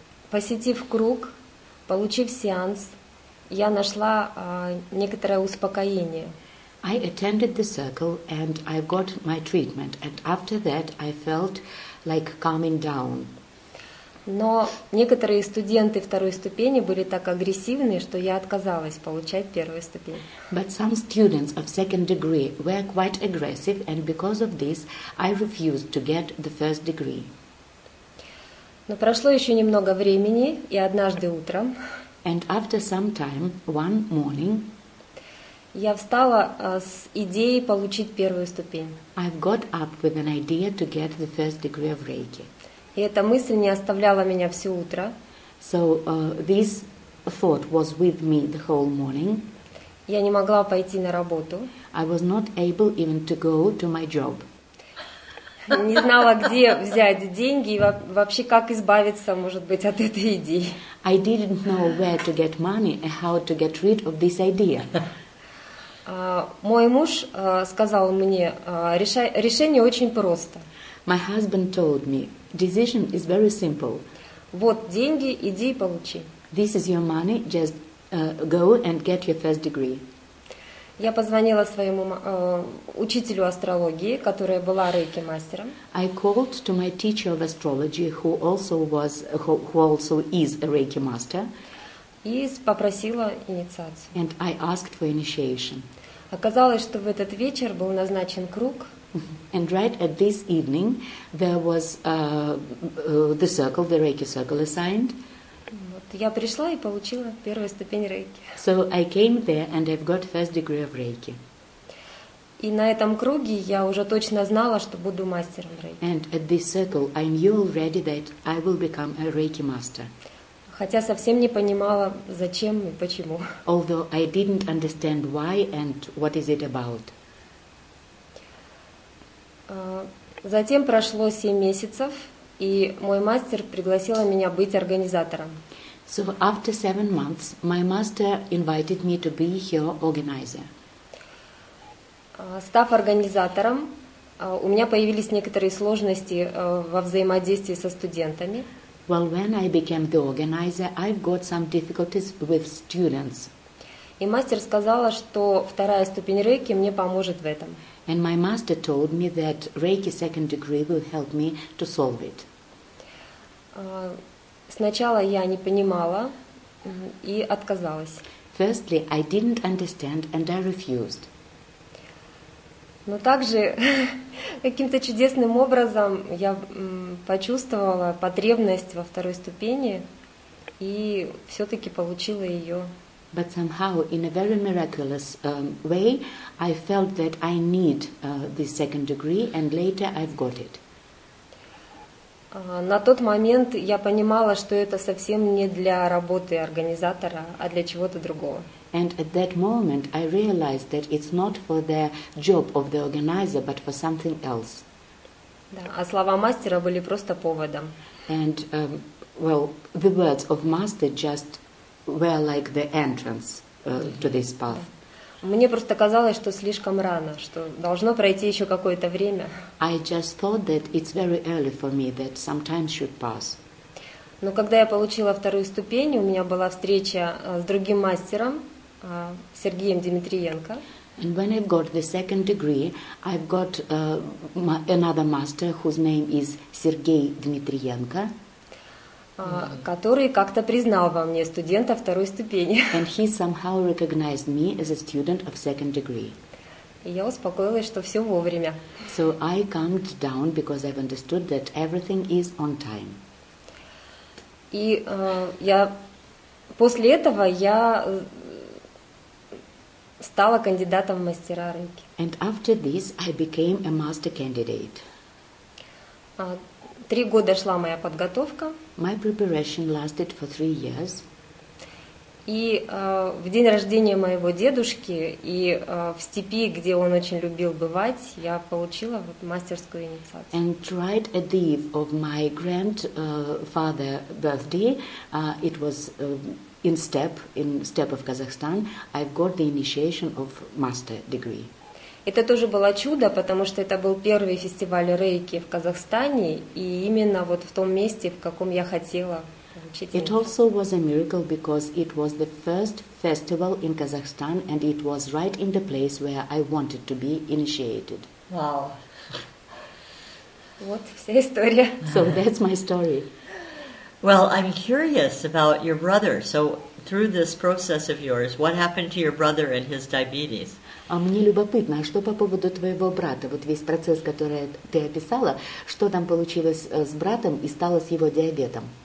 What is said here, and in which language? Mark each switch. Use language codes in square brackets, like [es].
[ru] Посетив круг, получив сеанс, я нашла некоторое успокоение. [en] I attended the circle and I got my treatment, and after that I felt like calming down. [ru] Но некоторые студенты второй ступени были так агрессивны, что я отказалась получать первую ступень. [en] But some students of second degree were quite aggressive, and because of this, I refused to get the first degree. [ru] Но прошло еще немного времени, и однажды утром. [en] And after some time, one morning, [ru] я встала с идеей получить первую ступень. [en] I've got up with an idea to get the first degree of Reiki. [ru] И эта мысль не оставляла меня все утро. [en] So, this thought was with me the whole morning. [ru] Я не могла пойти на работу. [en] I was not able even to go to my job. [ru] Не знала, где взять деньги и вообще как избавиться, может быть, от этой идеи. [en] I didn't know where to get money and how to get rid of this idea. [ru] Мой муж сказал мне: решение очень просто. [en] My husband told me, decision is very simple. [ru] Вот деньги, иди и получи. [en] This is your money, just go and get your first degree. [ru] Я позвонила своему учителю астрологии, которая была рейки-мастером. [en] I called to my teacher of astrology, who also is a reiki master. [ru] И попросила инициацию. [en] And I asked for initiation. [ru] Оказалось, что в этот вечер был назначен круг. [en] And right at this evening, there was the circle, the Reiki circle assigned. [ru] Вот, я пришла и получила первую ступень Рейки. [en] So I came there and I've got first degree of Reiki. [ru] И на этом круге я уже точно знала, что буду мастером Рейки. [en] And at this circle, I knew already that I will become a Reiki master. [ru] Хотя совсем не понимала, зачем и почему. [en] Although I didn't understand why and what is it about. [ru] Затем прошло 7 месяцев, и мой мастер пригласил меня быть организатором. [en] So after 7 months, my master invited me to be her organizer. [ru] Став организатором, у меня появились некоторые сложности во взаимодействии со студентами. [en] Well, when I became the organizer, I've got some difficulties with students. [ru] И мастер сказала, что вторая ступень Рейки мне поможет в этом. [en] And my master told me that Reiki second degree will help me to solve it. [ru] Сначала я не понимала и отказалась. [en] Firstly, I didn't understand and I refused. [ru] Но также каким-то чудесным образом я почувствовала потребность во второй ступени и все-таки получила ее. [en] But somehow, in a very miraculous way, I felt that I need this second degree, and later I've got it. [ru] На тот момент я понимала, что это совсем не для работы организатора, а для чего-то другого. [en] And at that moment, I realized that it's not for the job of the organizer, but for something else. [ru] Да, а слова мастера были просто поводом. [en] And, the words of master just were like the entrance to this path. [ru] Мне просто казалось, что слишком рано, что должно пройти еще какое-то время. [en] I just thought that it's very early for me, that some time should pass. [ru] Но когда я получила вторую ступень, у меня была встреча с другим мастером, Сергеем Дмитриенко. [en] And when I've got the second degree, I've got another master whose name is Сергей Дмитриенко. [ru] который как-то признал во мне студента второй ступени. [en] And he somehow recognized me as a student of second degree. [ru] И я успокоилась, что все вовремя. [en] So I calmed down because I've understood that everything is on time. [ru] И я после этого я стала кандидатом в мастера рейки. [en] And after this I became a master candidate. [ru] Три года шла моя подготовка. [en] My preparation lasted for 3 years. [ru] И в день рождения моего дедушки и в степи, где он очень любил бывать, я получила вот мастерскую инициацию. [en] And right at the eve of my grandfather's birthday, it was in steppe of Kazakhstan, I've got the initiation of master degree. [ru] Это тоже было чудо, потому что это был первый фестиваль рейки в Казахстане, и именно вот в том месте, в каком я хотела. [en] It also was a miracle because it was the first festival in Kazakhstan and it was right in the place where I wanted to be initiated. Wow. [ru] Вот вся история. [en] So that's my story. Well, I'm curious about your brother. So through this process of yours, what happened to your brother and his diabetes? [ru] А мне любопытно, а что по поводу твоего брата? Вот весь процесс, который ты описала, что там получилось с братом и стало с его диабетом?